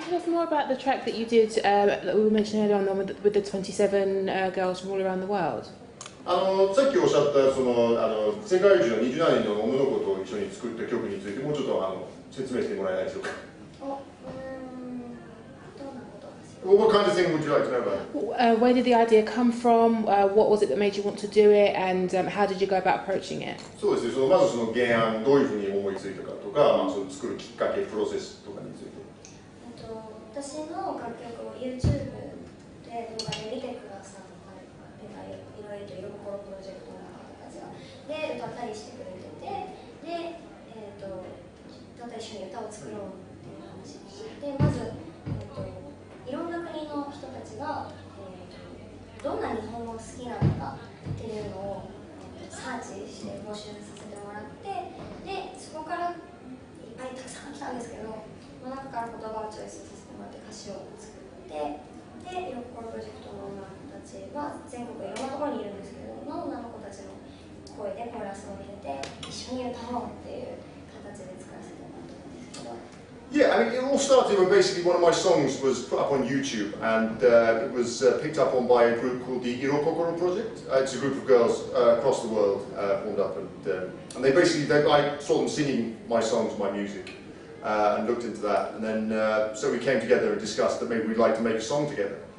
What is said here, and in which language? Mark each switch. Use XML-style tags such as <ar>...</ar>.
<en>About the track that you did that we mentioned earlier on with the 27 girls from all around the world.</en> <ja>あの、さっきおっしゃったその、あの、世界中の27人の女の子と一緒に作った曲についてもうちょっとあの、説明してもらえないでしょうか。</ja> <en>What kind of thing would you like to know about? Where did the idea come from? What was it that made you want to do it? And how did you go about approaching it?</en> <ja>そうですね。そのまずその原案どういうふうに思いついたかとか、まあ、その作るきっかけプロセスとかについて。私の楽曲を YouTube で動画で見てくださったとか、いろいろと横浜プロジェクトの方たちが、で、歌ったりしてくれてて、で、歌と一緒に歌を作ろうっていう話をして、で、まず、いろんな国の人たちが、どんな日本語が好きなのかっていうのをサーチして募集させてもらって、で、そこからいっぱいたくさん来たんですけど、その中から言葉をチョイスさせてもらって歌詞を作って、で、横浜プロジェクトの女の子たちは全国いろんなところにいるんですけど、女の子たちの声でコーラスを入れて、一緒に歌おうっていう形で作らせてもらったんですけど。</ja> <en>Yeah, I mean, it all started when basically one of my songs was put up on YouTube, and it was picked up on by a group called the Irokokoro Project. It's a group of girls across the world formed up, and they basically, I saw them singing my songs, my music, and looked into that, and then so we came together and discussed that maybe we'd like to make a song together.</en>